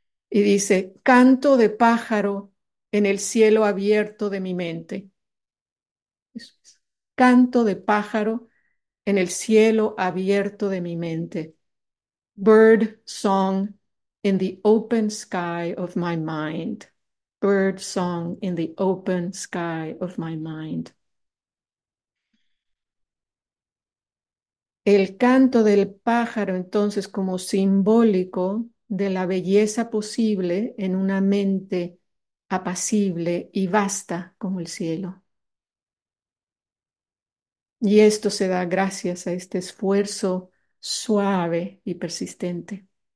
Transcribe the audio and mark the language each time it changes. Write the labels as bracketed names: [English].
[Spanish] Y dice: canto de pájaro en el cielo abierto de mi mente. Eso es. Canto de pájaro en el cielo abierto de mi mente. [English] Bird song in the open sky of my mind. Bird song in the open sky of my mind. [Spanish] El canto del pájaro, entonces, como simbólico de la belleza posible en una mente apacible y vasta como el cielo. Y esto se da gracias a este esfuerzo suave y persistente.